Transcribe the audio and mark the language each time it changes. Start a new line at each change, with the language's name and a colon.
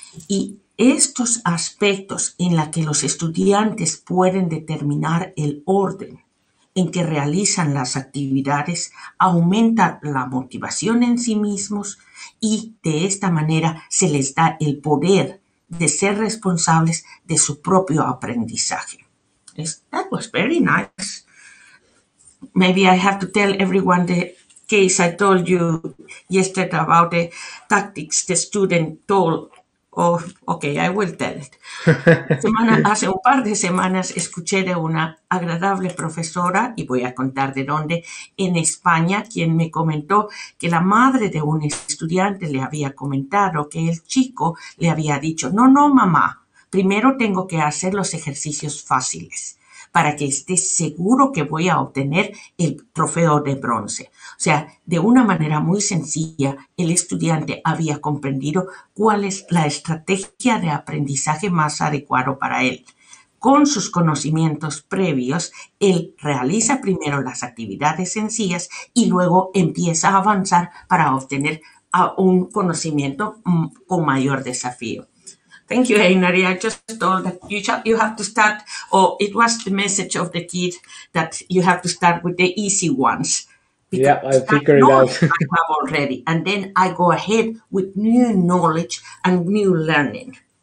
Spanish: Y estos aspectos en los que los estudiantes pueden determinar el orden en que realizan las actividades aumenta la motivación en sí mismos y de esta manera se les da el poder de ser responsables de su propio aprendizaje.
English: That was very nice. Maybe I have to tell everyone the case I told you yesterday about the tactics the student told. Oh, okay, I will tell it.
Spanish: Hace un par de semanas escuché de una agradable profesora, y voy a contar de dónde, en España, quien me comentó que la madre de un estudiante le había comentado que el chico le había dicho, no, no, mamá. Primero tengo que hacer los ejercicios fáciles para que esté seguro que voy a obtener el trofeo de bronce. O sea, de una manera muy sencilla, el estudiante había comprendido cuál es la estrategia de aprendizaje más adecuado para él. Con sus conocimientos previos, él realiza primero las actividades sencillas y luego empieza a avanzar para obtener a un conocimiento con mayor desafío.
English: Thank you, Einari. I just told that you have to start, or it was the message of the kid that you have to start with the easy ones. Because yeah, I figured it out. I have already, and then I go ahead with new knowledge and new learning.